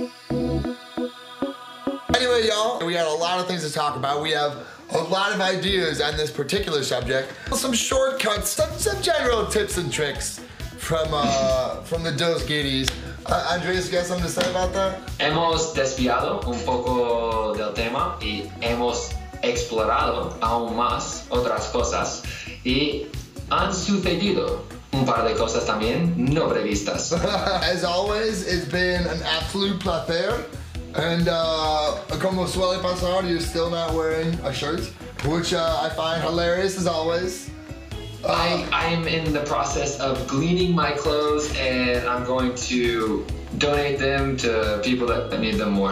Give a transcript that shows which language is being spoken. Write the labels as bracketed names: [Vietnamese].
[English] Anyway, y'all, we got a lot of things to talk about. We have a lot of ideas on this particular subject. Some shortcuts, some general tips and tricks from the Dos Giddies. Andres, you got something to say about that? [Spanish] Hemos desviado un poco del tema y hemos explorado aún más otras cosas y han sucedido un par de cosas también no previstas. [English] As always, it's been an absolute [Spanish] placer, [English] and [Spanish] como suele pasar, [English] you're still not wearing a shirt, which I find hilarious as always. I am in the process of gleaning my clothes, and I'm going to donate them to people that need them more.